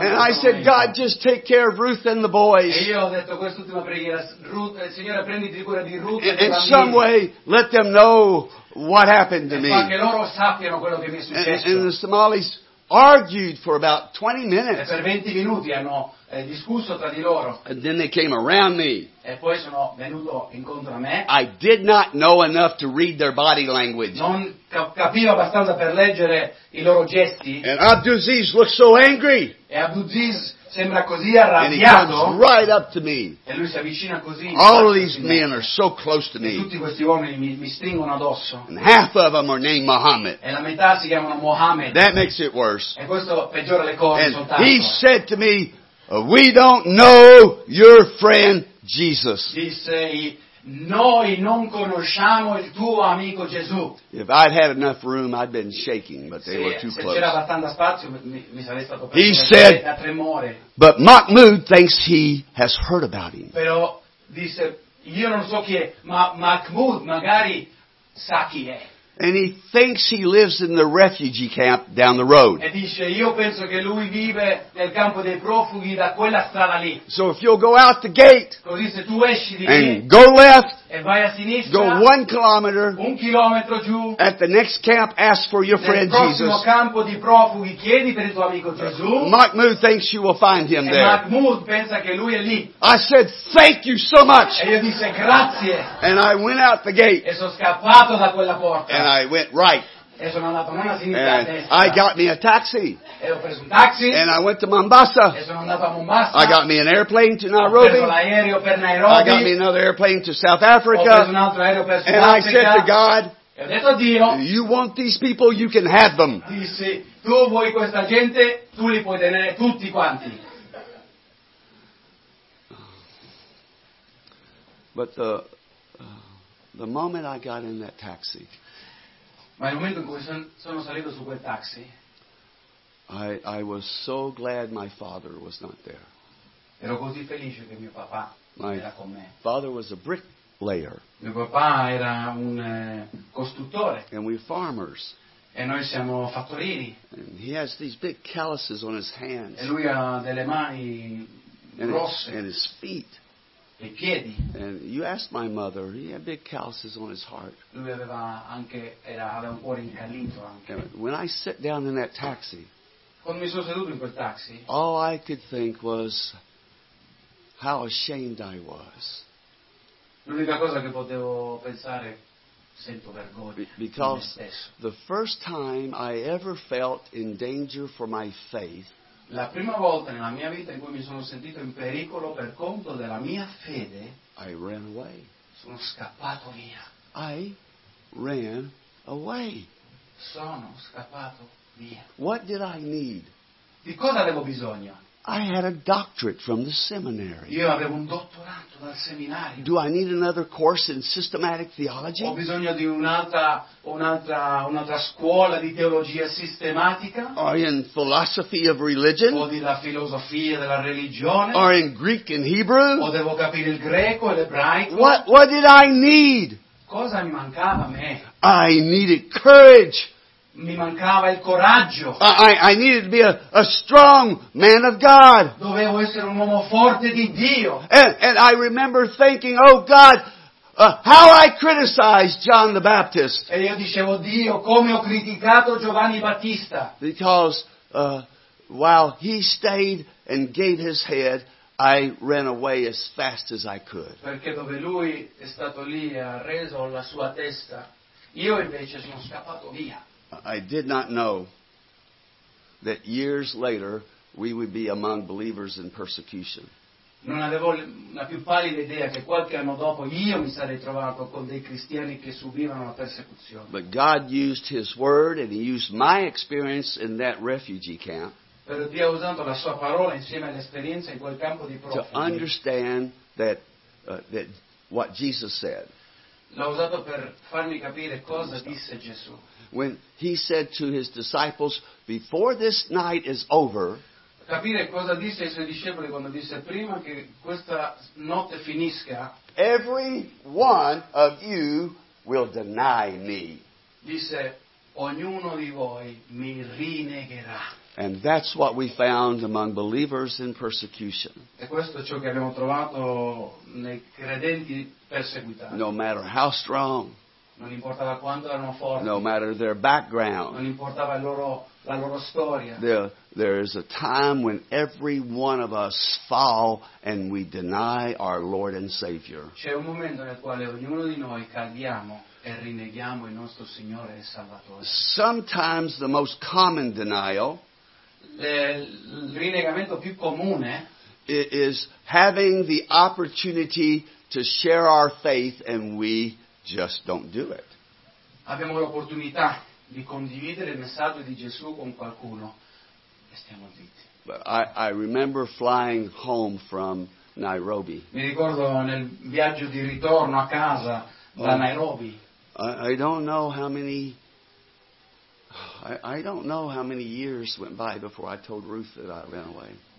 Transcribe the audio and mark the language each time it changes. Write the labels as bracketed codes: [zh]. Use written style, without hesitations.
[en] And I said, God, just take care of Ruth and the boys. [it] E io ho detto quest'ultima preghiera, Ruth, Signore, prenditi cura di Ruth e in bambini. [en] Some way, let them know. What happened to me? [it] Anche loro sappiano quello che mi è successo. [en] And the Somalis argued for about 20 minutes. [it] E per 20 minuti hanno discusso tra di loro. [en] And then they came around me. [it] E poi sono venuto incontro a me. [en] I did not know enough to read their body language. [it] Non capivo abbastanza per leggere i loro gesti. [en] And Abdulaziz looked so angry. [it] E Abdulaziz sembra così arrabbiato. [en] And he comes right up to me. [it] E lui si avvicina così. [en] All these men are so close to me. [it] E tutti questi uomini mi stringono addosso. [en] And half of them are named Muhammad. [it] E la metà si chiamano Muhammad. [en] That makes it worse. [it] E questo peggiora le cose [en] and [it] soltanto. [en] He said to me, "We don't know your friend Jesus." [it] Disse, "Noi non conosciamo il tuo amico Gesù." [en] If I'd had enough room, I'd been shaking, but they [it] sì, [en] were too [it] se [en] close. [it] Se c'era abbastanza spazio, mi sarei stato [en] he said, [it] da tremore. [en] But Mahmoud thinks he has heard about him. [it] Però disse, io non so chi è, ma Mahmoud magari sa chi è. [en] And he thinks he lives in the refugee camp down the road. [it] E dice, io penso che lui vive nel campo dei profughi da quella strada lì. [en] So if you'll go out the gate, [it] così se tu esci di [en] and [it] lì, [en] go left, [it] e vai a sinistra, [en] go 1 kilometer, [it] un chilometro giù, [en] at the next camp, ask for your friend Jesus. [it] Nel prossimo campo di profughi, chiedi per il tuo amico Gesù. [en] Mahmoud thinks you will find him there. [it] E Mahmoud pensa che lui è lì. [en] I said, thank you so much. [it] E io disse, grazie. [en] And I went out the gate. [it] E sono scappato da quella porta. [en] And I went right. [it] E sono andato non a sinistra, [en] and [it] a destra. [en] I got me a taxi. [it] E ho preso un taxi. [en] And I went to Mombasa. [it] E sono andato a Mombasa. [en] I got me an airplane to Nairobi. [it] Ho preso l'aereo per Nairobi. [en] I got me another airplane to South Africa. [it] Ho preso un altro aereo per Sudafrica. [en] And I said to God, [it] e ho detto a Dio, [en] you want these people, you can have them. [it] Dissi, tu vuoi questa gente, tu li puoi tenere tutti quanti. [en] But the moment I got in that taxi, [it] ma il momento in cui sono salito su quel taxi, [en] I was so glad my father was not there. [it] Ero così felice che mio papà [en] my [it] era con me. [en] Father was a bricklayer. [it] Mio papà era un costruttore. [en] And we're farmers. [it] E noi siamo fattorini. [en] And he has these big calluses on his hands. [it] E lui ha delle mani [en] and [it] rosse. [en] And his feet. [it] E piedi. [en] And you asked my mother, he had big calluses on his heart. [it] Lui aveva anche, aveva un cuore incallito anche. [en] And when I sat down in that taxi, [it] quando mi sono seduto in quel taxi, [en] all I could think was how ashamed I was. [it] L'unica cosa che potevo pensare, sento vergogna. [en] Because the first time I ever felt in danger for my faith, [it] la prima volta nella mia vita in cui mi sono sentito in pericolo per conto della mia fede, [en] I ran away. [it] Sono scappato via. [en] I ran away. [it] Sono scappato via. [en] What did I need? [it] Di cosa avevo bisogno? [en] I had a doctorate from the seminary. [it] Io avevo un dottorato dal seminario. [en] Do I need another course in systematic theology? [it] Ho bisogno di un'altra scuola di teologia sistematica? [en] Or in philosophy of religion? [it] O della filosofia della religione? [en] Or in Greek and Hebrew? [it] O devo capire il greco e l'ebraico? [en] What did I need? [it] Cosa mi mancava a me? [en] I needed courage. [it] Mi mancava il coraggio. [en] I needed to be a strong man of God. [it] Dovevo essere un uomo forte di Dio. [en] And I remember thinking, oh God, how I criticized John the Baptist. [it] E io dicevo, Dio, come ho criticato Giovanni Battista. [en] Because while he stayed and gave his head, I ran away as fast as I could. [it] Perché dove lui è stato lì e ha reso la sua testa, io invece sono scappato via. [en] I did not know that years later we would be among believers in persecution. [it] Non avevo la più pallida idea che qualche anno dopo io mi sarei trovato con dei cristiani che subivano la persecuzione. [en] But God used His word and He used my experience in that refugee camp. [it] Però Dio ha usato la sua parola insieme all'esperienza in quel campo di profughi. [en] To understand that what Jesus said. [it] L'ha usato per farmi capire cosa disse Gesù. [en] When he said to his disciples, before this night is over, [it] capire cosa disse ai suoi discepoli quando disse prima che questa notte finisca, [en] every one of you will deny me. [it] Disse, ognuno di voi mi rinegherà. [en] And that's what we found among believers in persecution. [it] E questo è ciò che abbiamo trovato nei credenti perseguitati. [en] No matter how strong. [it] Non importava quanto erano forti. [en] No matter their background. [it] Non importava la loro storia. [en] There is a time when every one of us fall and we deny our Lord and Savior. [it] C'è un momento nel quale ognuno di noi cadiamo e rineghiamo il nostro Signore e Salvatore. [en] Sometimes the most common denial. [it] Il rinegamento più comune [en] is having the opportunity to share our faith and we just don't do it. [it] Abbiamo l'opportunità di condividere il messaggio di Gesù con qualcuno e stiamo zitti. [en] But I remember flying home from Nairobi. [it] Mi ricordo nel viaggio di ritorno a casa da Nairobi. [en] I don't know how many years went by before I told Ruth that I ran away.